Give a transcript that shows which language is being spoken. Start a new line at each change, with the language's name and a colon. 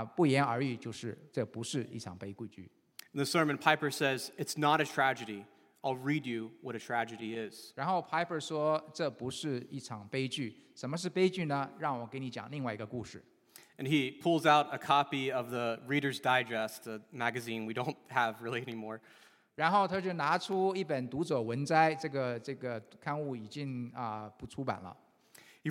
Chinese: 就是在你们看视频的时候就发现，虽然当场没有人回答，但是这个气氛很凝重，但是当然这个答案不言而喻，就是这不是一场悲剧。
English: The sermon Piper says, it's not a tragedy. I'll read you what a tragedy is.
Chinese: 然后 Piper 说这不是一场悲剧，什么是悲剧呢？让我给你讲另外一个故事。
English: And he pulls out a copy of the Reader's Digest, a magazine we don't have really anymore.
Chinese: 然后他就拿出一本《读者文摘》这个刊物已经不出版了。
English: He